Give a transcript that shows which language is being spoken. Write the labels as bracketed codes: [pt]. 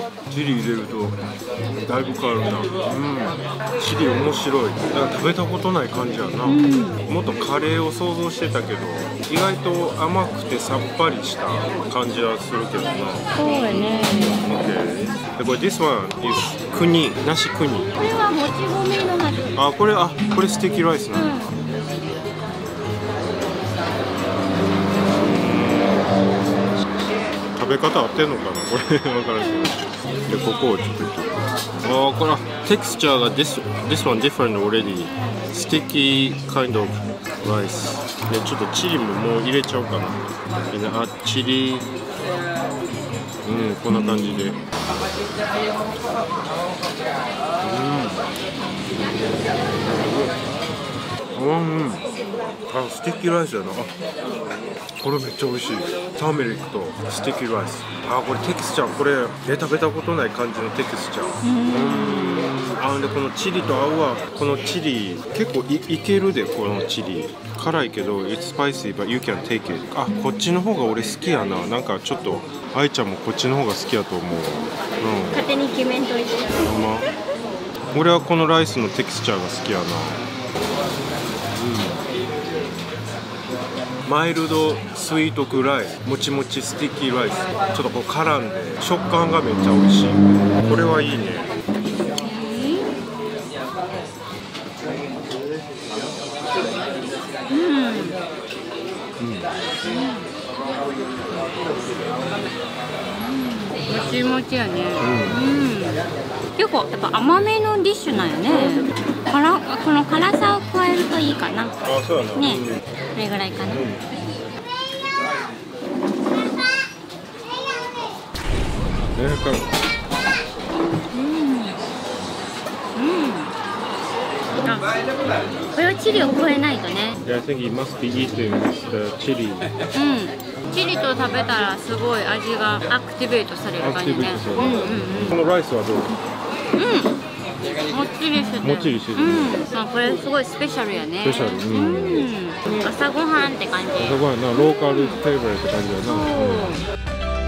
[ja] チリ入れるとだいぶ変わるな。チリ面白い。食べたことない感じやな。もっとカレーを想像してたけど、意外と甘くてさっぱりした感じはするけどな。そうやね。 [en] Okay. But this one is クニ、ナシクニ。 [ja] これはもち米の味。これステーキライスなんだ。べ方合ってんのかなこれ分からないで、ここをちょっと切る。あー、これテクスチャーが [en] this one different already sticky kind of rice [ja] で、ちょっとチリももう入れちゃおうかな。あ、チリ、うん、こんな感じで、うん、うん、あ、スティッキーライスやな。あ、これめっちゃ美味しい。ターメリックとスティッキーライス。あ、これテクスチャー、これベタベタことない感じのテクスチャー。あ、でこのチリと合うわ。このチリ結構 いけるで。このチリ辛いけど [en] It's spicy but you can take it。 [ja] あ、こっちの方が俺好きやな。なんかちょっと愛ちゃんもこっちの方が好きやと思う、うん、勝手に決めんといて、ま、俺はこのライスのテクスチャーが好きやな。マイルドスイートクライス、もちもちスティッキーライス、ちょっとこう絡んで食感がめっちゃ美味しい。これはいいね。もちもちやね、結構やっぱ甘めのディッシュなんよね。この辛さを加えるといいかな。あ、そうなの、ね、これぐらいかな、ね、うん、これはチリを超えないとね。 [en] Yeah, I think it must be eating the chili。 [ja] チリと食べたらすごい味がアクティベートされる感じね。このライスはどう？もっちりしてる、もっちりしてる、まあ、これすごいスペシャルやね。スペシャル、朝ごはんって感じ。朝ごはんな、ローカルフェイバリって感じやな。